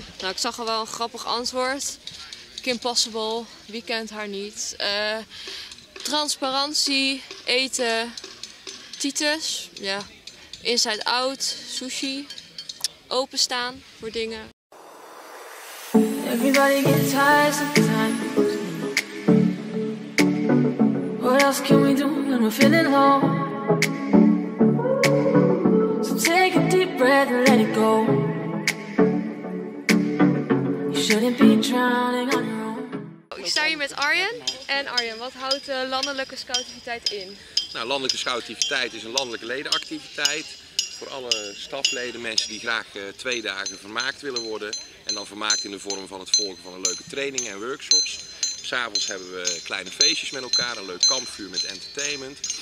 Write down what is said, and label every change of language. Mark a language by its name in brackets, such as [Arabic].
[Dutch] Nou, ik zag al wel een grappig antwoord. Kim Possible, wie kent haar niet? Transparantie, eten, Titus, ja. Inside out, sushi, openstaan voor dingen. [English] Everybody gets high sometimes. What else can we do when we're feeling low? So take a deep breath and let it go. You shouldn't be drowning on. [Dutch] Ik sta hier met Arjen. En Arjen, wat houdt de landelijke scoutiviteit in? Nou, landelijke scoutiviteit is een landelijke ledenactiviteit. Voor alle stafleden, mensen die graag 2 dagen vermaakt willen worden. En dan vermaakt in de vorm van het volgen van een leuke training en workshops. 'S Avonds hebben we kleine feestjes met elkaar, een leuk kampvuur met entertainment.